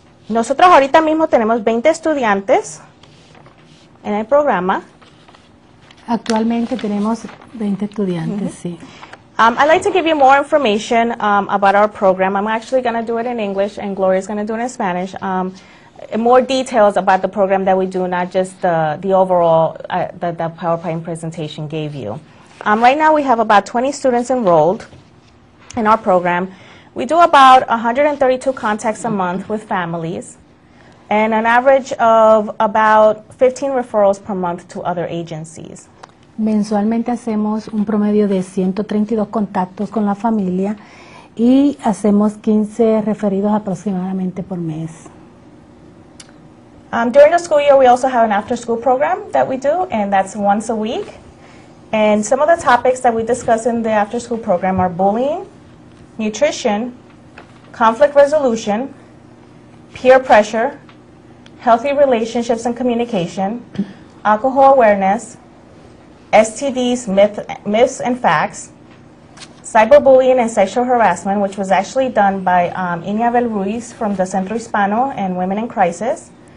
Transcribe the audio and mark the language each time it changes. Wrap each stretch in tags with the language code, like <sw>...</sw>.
<es>Nosotros ahorita mismo tenemos 20 estudiantes en el programa. Actualmente tenemos 20 estudiantes, sí.</es> <en>I'd like to give you more information about our program. I'm actually going to do it in English, and Gloria's going to do it in Spanish. More details about the program that we do, not just the overall that the PowerPoint presentation gave you. Right now we have about 20 students enrolled in our program. We do about 132 contacts a month with families, and an average of about 15 referrals per month to other agencies.</en> <es>Mensualmente hacemos un promedio de 132 contactos con la familia y hacemos 15 referidos aproximadamente por mes.</es> <en>During the school year, we also have an after-school program that we do, and that's once a week. And some of the topics that we discuss in the after-school program are bullying, nutrition, conflict resolution, peer pressure, healthy relationships and communication, alcohol awareness, STDs, myths and facts, cyberbullying and sexual harassment, which was actually done by Iñabel Ruiz from the Centro Hispano and Women in Crisis.</en>